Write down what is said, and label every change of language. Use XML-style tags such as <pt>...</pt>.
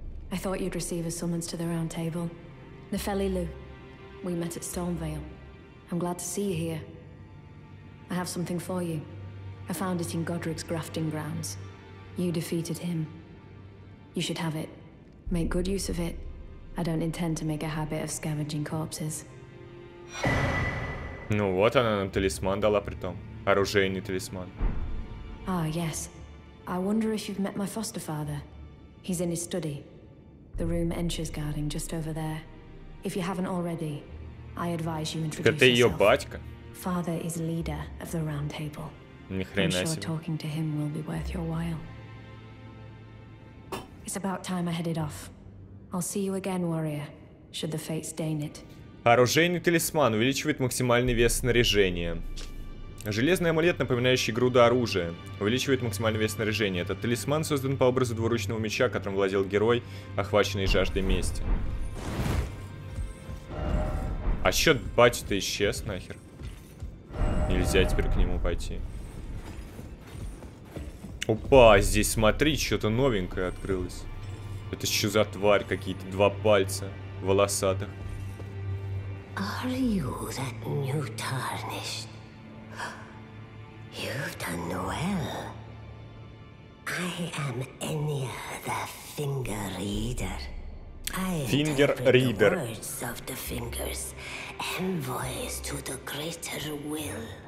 <en>I thought you'd receive a summons to the round table. Nefeli Lu. We met at Stormvale. I'm glad to see you here. I have something for you. I found it in Godric's grafting grounds. You defeated him. You should have it. Make good use of it. I don't intend to make a habit of scavenging corpses.</en> <ru>Ну вот она нам талисман дала при том. Оружейный талисман.</ru> <en>Ah, yes. I wonder if you've met my foster father. He's in his study. The room Encher's guarding just over there. If you haven't already, I advise you introduce yourself.</en> <ru>Так это ее батька?</ru> <en>Father is leader of the round table.</en> <ru>Ни хрена себе.</ru> <en>I'm sure talking to him will be worth your while. It's about time I headed off. I'll see you again, warrior, should the fates deign it.</en> <ru>Оружейный талисман увеличивает максимальный вес снаряжения. Железный амулет, напоминающий груду оружия, увеличивает максимальный вес снаряжения. Этот талисман создан по образу двуручного меча, которым владел герой, охваченный жаждой мести. А счет батя-то исчез нахер. Нельзя теперь к нему пойти. Опа, здесь смотри, что-то новенькое открылось. Это что за тварь, какие-то два пальца волосатых.</ru> <en>Are you that new tarnished? You've done well. I am Enya, the finger reader. I finger reader. The words of the fingers, envoys to the greater will.</en>